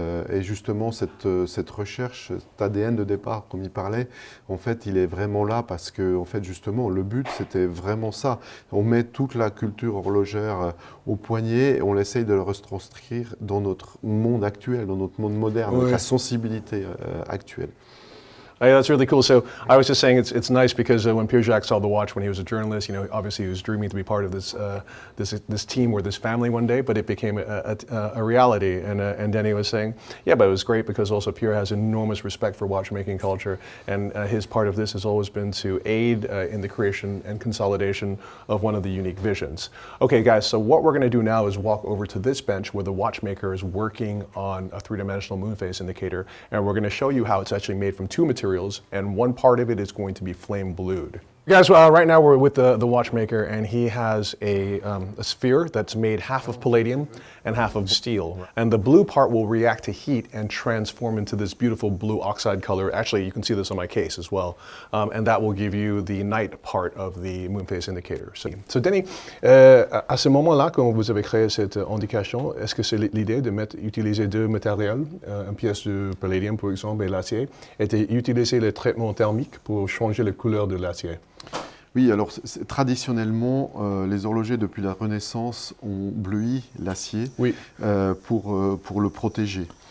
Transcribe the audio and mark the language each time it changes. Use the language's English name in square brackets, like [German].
[French] Et justement, cette recherche, cet ADN de départ comme il parlait, en fait, il est vraiment là parce que, en fait, justement, le but, c'était vraiment ça. On met toute la culture horlogère au poignet et on essaye de le retranscrire dans notre monde actuel, dans notre monde moderne, oui. notre sensibilité actuelle. [English] Yeah, that's really cool. So I was just saying it's nice because when Pierre Jacques saw the watch when he was a journalist, you know, obviously he was dreaming to be part of this this team or this family one day, but it became a reality. And Denny was saying, yeah, but it was great because also Pierre has enormous respect for watchmaking culture. And his part of this has always been to aid in the creation and consolidation of one of the unique visions. Okay, guys, so what we're going to do now is walk over to this bench where the watchmaker is working on a three-dimensional moon phase indicator. And we're going to show you how it's actually made from two materials, and one part of it is going to be flame blued. Guys, right now we're with the watchmaker, and he has a sphere that's made half of palladium and half of steel. And the blue part will react to heat and transform into this beautiful blue oxide color. Actually, you can see this on my case as well. And that will give you the night part of the moon phase indicator. [French] So Denny, à ce moment-là, quand vous avez créé cette indication, est-ce que c'est l'idée de utiliser deux matériels, une pièce de palladium, par exemple, et l'acier, et d'utiliser le traitement thermique pour changer la couleur de l'acier? Oui, alors traditionnellement, les horlogers depuis la Renaissance ont bleui l'acier pour le protéger.